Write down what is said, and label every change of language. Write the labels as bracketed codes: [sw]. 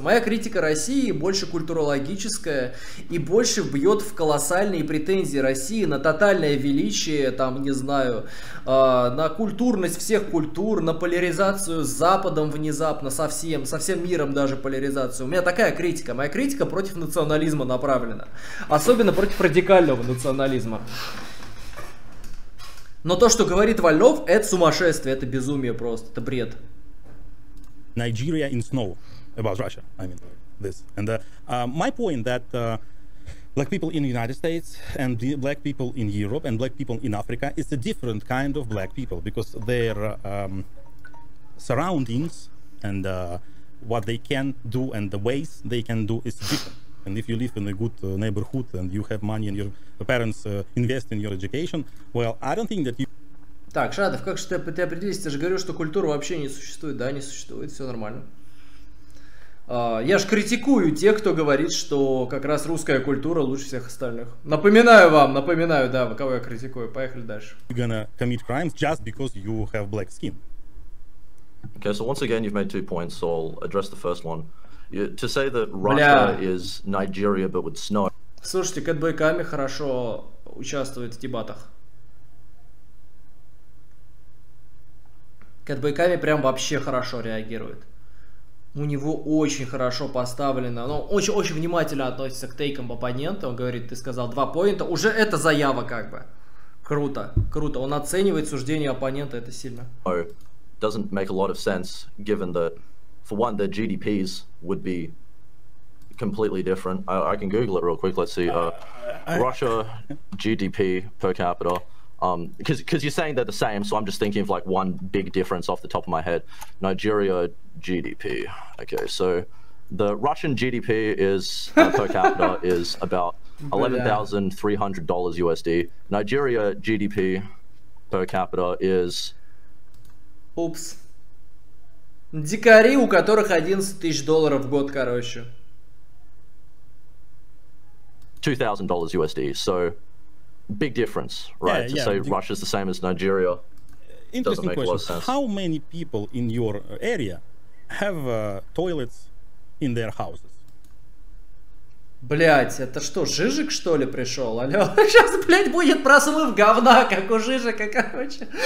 [ru] Моя критика России больше культурологическая и больше бьет в колоссальные претензии России на тотальное величие, там, не знаю, на культурность всех культур, на поляризацию с Западом внезапно, со всем миром даже поляризацию. У меня такая критика. Моя критика против национализма направлена. Особенно против радикального национализма. Но то, что говорит Вольнов, это сумасшествие, это безумие просто, это бред. [en] Nigeria in snow, about Russia, I mean, this. And my point that black people in the United States and the black people in Europe and black people in Africa is a different kind of black people, because their surroundings and what they can do and the ways they can do is different. And if you live in a good neighborhood and you have money and your parents invest in your education, well, I don't think that you... [ru] Так, Шадов, как же ты определился? Я же говорю, что культура вообще не существует. Да, не существует, все нормально. Я же критикую тех, кто говорит, что как раз русская культура лучше всех остальных. Напоминаю вам, напоминаю, да, кого я критикую. Поехали дальше. [en] You're gonna commit crimes just because you have black skin. Okay, so once again, you've made two points, so I'll address the first one. To say that Russia is Nigeria, but with snow. [ru] Слушайте, Кэтбойками хорошо участвует в дебатах. Кэтбойками прям вообще хорошо реагирует. У него очень хорошо поставлено, но очень-очень внимательно относится к тейкам оппонента. Он говорит, ты сказал два поинта, уже это заява как бы. Круто, круто. Он оценивает суждение оппонента, это сильно. [en] No, doesn't make a lot of sense, given that... For one, their GDPs would be completely different. I can Google it real quick. Let's see. Russia GDP per capita. Because you're saying they're the same, so I'm just thinking of like one big difference off the top of my head. Nigeria GDP. Okay, so the Russian GDP is per capita is about $11,300 USD. Nigeria GDP per capita is... Oops. [ru] Дикари, у которых 11 тысяч долларов в год, короче. [en] $2,000 USD, so big difference, right? Yeah, to say Russia's the same as Nigeria doesn't make question. A lot of sense. How many people in your area have toilets in their houses? [ru] Блять, это что, Жижик что ли пришел? Алло, сейчас, блять, будет прослыв говна, как у Жижика, короче.